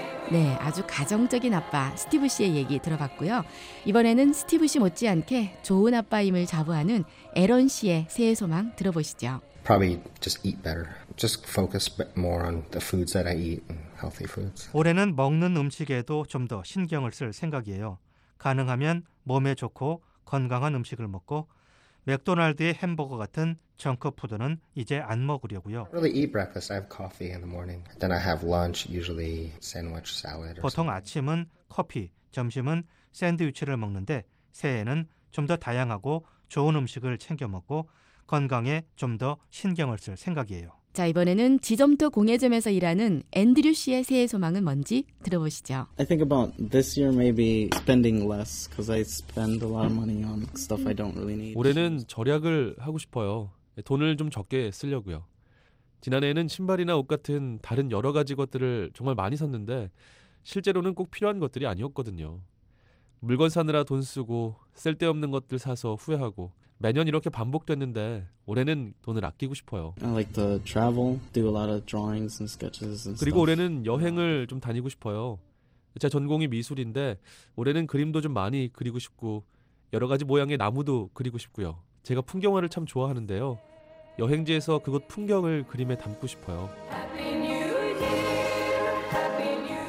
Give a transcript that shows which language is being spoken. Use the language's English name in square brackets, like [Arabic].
[Korean] 네, 아주 가정적인 아빠 스티브 씨의 얘기 들어봤고요. 이번에는 스티브 씨 못지않게 좋은 아빠임을 자부하는 에런 씨의 새해 소망 들어보시죠. [English] Probably just eat better. Just focus more on the foods that I eat, healthy foods. [Korean] 올해는 먹는 음식에도 좀 더 신경을 쓸 생각이에요. 가능하면 몸에 좋고 건강한 음식을 먹고 맥도날드의 햄버거 같은 정크 푸드는 이제 안 먹으려고요. [English] Really eat breakfast. I have coffee in the morning. Then I have lunch, usually sandwich, salad. [Korean] 보통 아침은 커피, 점심은 샌드위치를 먹는데 새해에는 좀 더 다양하고 좋은 음식을 챙겨 먹고 건강에 좀 더 신경을 쓸 생각이에요. 자, 이번에는 지점토 공예점에서 일하는 앤드류 씨의 새해 소망은 뭔지 들어보시죠. [English] I think about this year maybe spending less because I spend a lot of money on stuff I don't really need. [Korean] 올해는 절약을 하고 싶어요. 돈을 좀 적게 쓰려고요. 지난해에는 신발이나 옷 같은 다른 여러 가지 것들을 정말 많이 샀는데 실제로는 꼭 필요한 것들이 아니었거든요. 물건 사느라 돈 쓰고 쓸데없는 것들 사서 후회하고 매년 이렇게 반복됐는데 올해는 돈을 아끼고 싶어요. [English] I like to travel, do a lot of drawings and sketches and stuff. [Korean] 그리고 올해는 여행을 좀 다니고 싶어요. 제 전공이 미술인데 올해는 그림도 좀 많이 그리고 싶고 여러 가지 모양의 나무도 그리고 싶고요. 제가 풍경화를 참 좋아하는데요. 여행지에서 그곳 풍경을 그림에 담고 싶어요. [English] Happy New Year, Happy New Year.